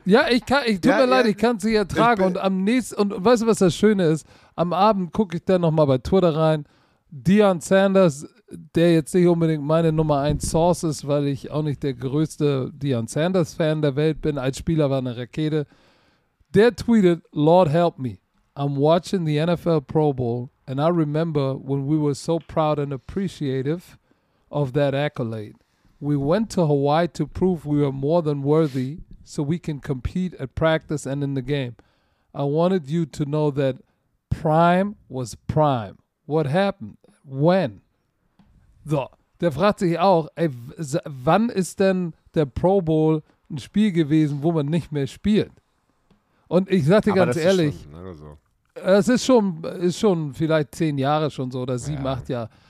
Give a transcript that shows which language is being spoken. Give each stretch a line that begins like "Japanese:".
German: Ja, ich kann es nicht ertragen. Und am nächsten, und weißt du, was das Schöne ist? Am Abend gucke ich dann nochmal bei Twitter rein. Deion Sanders, der jetzt nicht unbedingt meine Nummer 1 Source ist, weil ich auch nicht der größte Deion Sanders-Fan der Welt bin. Als Spieler war eine Rakete. Der tweetet,
English: Lord help me. I'm watching the NFL Pro Bowl and I remember when we were so proud and appreciative of that accolade. We went to Hawaii to prove we were more than worthy so we can compete at practice and in the game. I wanted you to know that Prime was Prime. What happened? When?
German: So, der fragt sich auch, ey, wann ist denn der Pro Bowl ein Spiel gewesen, wo man nicht mehr spielt? Und ich sag dir ganz ehrlich, es ist schon vielleicht 10 Jahre schon so oder 7, 8 Jahre.